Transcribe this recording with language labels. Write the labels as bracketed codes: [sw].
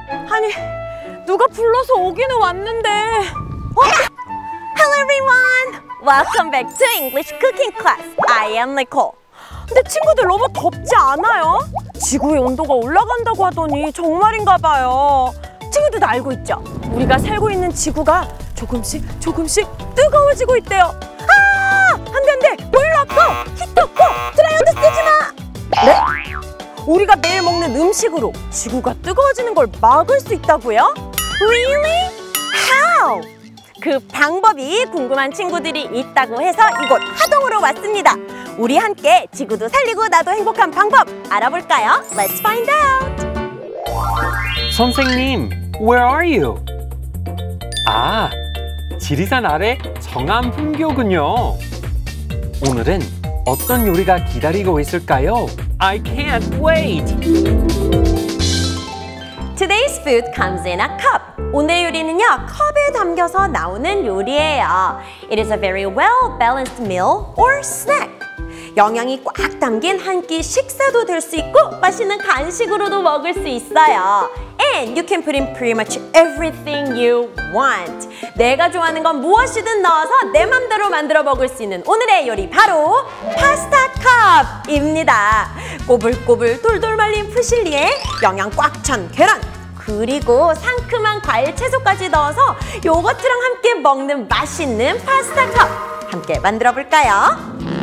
[ko] 아니 누가 불러서 오기는 왔는데. 어? [en] Hello everyone. Welcome back to English cooking class. I am Nicole. [ko] 근데 친구들 너무 덥지 않아요? 지구의 온도가 올라간다고 하더니 정말인가 봐요. 친구들 다 알고 있죠? 우리가 살고 있는 지구가 조금씩 뜨거워지고 있대요. 아! 안 돼 안 돼. 보일러 꺼. 히터 꺼. 드라이어도 쓰지 마. 네? 우리가 매일 먹는 음식으로 지구가 뜨거워지는 걸 막을 수 있다고요? [en] Really? How? [ko] 그 방법이 궁금한 친구들이 있다고 해서 이곳 하동으로 왔습니다. 우리 함께 지구도 살리고 나도 행복한 방법 알아볼까요? [en] Let's find out! [ko] 선생님, [en] where are you? [ko] 아, 지리산 아래 정암 풍교군요. 오늘은 어떤 요리가 기다리고 있을까요? [en] I can't wait! Today's food comes in a cup. [ko] 오늘 요리는요, 컵에 담겨서 나오는 요리예요. [en] It is a very well-balanced meal or snack. [ko] 영양이 꽉 담긴 한 끼 식사도 될 수 있고 맛있는 간식으로도 먹을 수 있어요. [en] And you can put in pretty much everything you want. [ko] 내가 좋아하는 건 무엇이든 넣어서 내 맘대로 만들어 먹을 수 있는 오늘의 요리 바로 파스타 컵입니다. 꼬불꼬불 돌돌 말린 푸실리에 영양 꽉 찬 계란 그리고 상큼한 과일 채소까지 넣어서 요거트랑 함께 먹는 맛있는 파스타 컵 함께 만들어 볼까요?